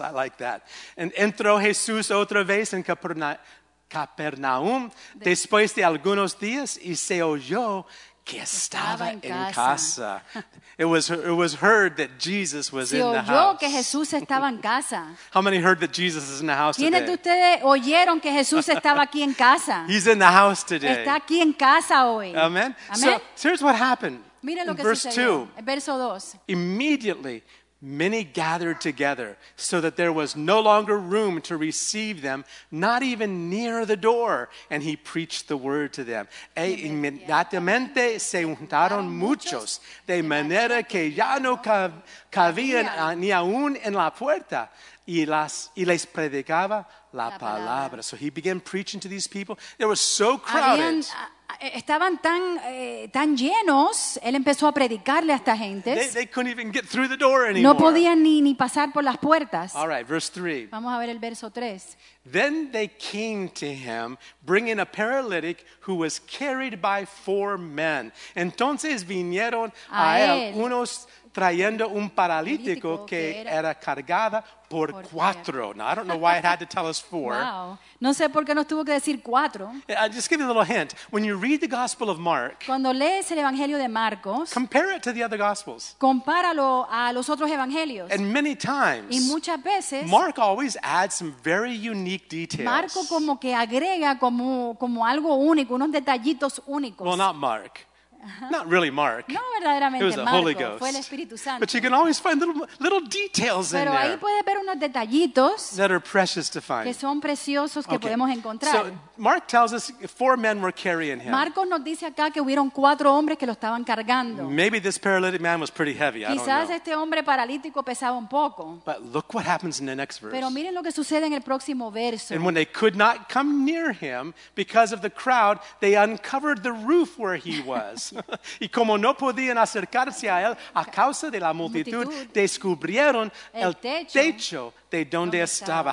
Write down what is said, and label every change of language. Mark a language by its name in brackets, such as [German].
[English] I like that. And [Spanish] entró Jesús otra vez en Capernaum después de algunos días, y se oyó que estaba en casa. [English] It was heard that Jesus was in the house. [Spanish] Que Jesús estaba en casa. [English] How many heard that Jesus is in the house [Spanish] ¿Quiénes ¿Quiénes de ustedes oyeron que Jesús estaba aquí en casa? [English] He's in the house today. [Spanish] Está aquí en casa hoy. [English] Amen. Amen. So here's what happened. [Spanish] Mira lo [English] in [Spanish] que [English] verse [Spanish] sucedió. [English] 2. [Spanish] Verso 2. [English] Immediately, many gathered together so that there was no longer room to receive them, not even near the door. And he preached the word to them. [Spanish] E inmediatamente se juntaron muchos, de manera que ya no cabían ni aún en la puerta. Y les predicaba la palabra. [English] So he began preaching to these people. They were so crowded. [Spanish] Estaban tan tan llenos, él empezó a predicarle a esta gente. [English] They couldn't even get through the door anymore. [Spanish] No podían ni pasar por las puertas. [English] All right, verse 3. [Spanish] Vamos a ver el verso 3. [English] Then they came to him, bringing a paralytic who was carried by four men. [Spanish] Entonces vinieron a él unos trayendo un paralítico que era cargada por cuatro. [English] Now, I don't know why it had to tell us four. [Spanish] Wow. No sé por qué nos tuvo que decir cuatro. [English] I'll just give you a little hint. When you read the Gospel of Mark, [Spanish] cuando lees el Evangelio de Marcos, [English] compare it to the other Gospels. [Spanish] Compáralo a los otros Evangelios. [English] And many times, [Spanish] y muchas veces, [English] Mark always adds some very unique details. [Spanish] Marco como que agrega como algo único, unos detallitos únicos. [English] Well, not Mark. Not really Mark. [Spanish] No, verdaderamente, [English] it was the [Spanish] Marco, [English] Holy Ghost. [Spanish] Fue el Espíritu Santo. [English] But you can always find little details [Spanish] Pero [English] in there. [Spanish] Ahí puedes ver unos detallitos [English] that are precious to find. [Spanish] Que son preciosos que podemos encontrar. [English] So Mark tells us four men were carrying him. [Spanish] Marcos nos dice acá que hubieron cuatro hombres que lo estaban cargando. [English] Maybe this paralytic man was pretty heavy. [Spanish] Quizás [English] I don't know. [Spanish] Este hombre paralítico pesaba un poco. [English] But look what happens in the next verse. [Spanish] Pero miren lo que sucede en el próximo verso. [English] And when they could not come near him because of the crowd, they uncovered the roof where he was. [Spanish] Y como no podían acercarse a él a causa de la multitud, descubrieron el techo de donde estaba.